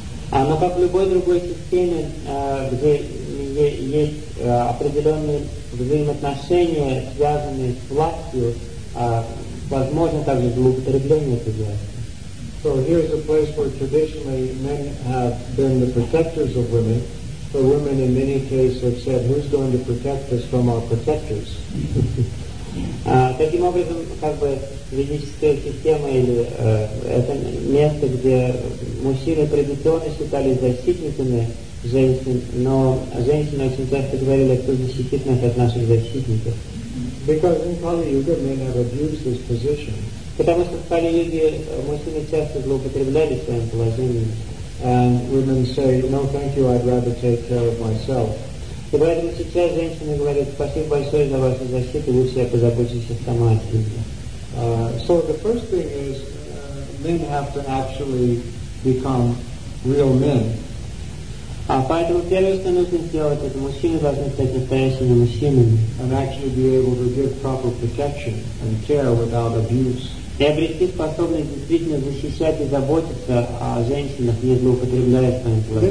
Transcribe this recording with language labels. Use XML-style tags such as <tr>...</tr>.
<ru>Но как в любой другой системе, где есть определенные взаимоотношения, связанные с властью, возможно также злоупотребление этой власти.</ru> <en>So here's a place where traditionally men have been the protectors of women. The women in many cases have said, who's going to protect us from our protectors?</en> <ru>Таким образом, как бы ведическая система или это место, где мужчины традиционно считались защитниками женщин, но женщины очень часто говорили, кто защитит нас от наших защитников.</ru> <en>Because in Kali Yuga men have abused this position.</en> <ru>Потому что в Kali Yuga мужчины часто злоупотребляли своим положением.</ru> <en>And women say, no, thank you, I'd rather take care of myself.</en> <ru>И поэтому сейчас женщины говорят, спасибо большое за вашу защиту, лучше я позабочусь сама о себе.</ru> <en>So the first thing is, men have to actually become real men.</en> <ru>Поэтому первое, что нужно сделать, это мужчины должны стать настоящими мужчинами.</ru> <en>And actually be able to give proper protection and care without abuse.</en> <ru>И обрести способность действительно защищать и заботиться о женщинах, не злоупотребляя своим</ru>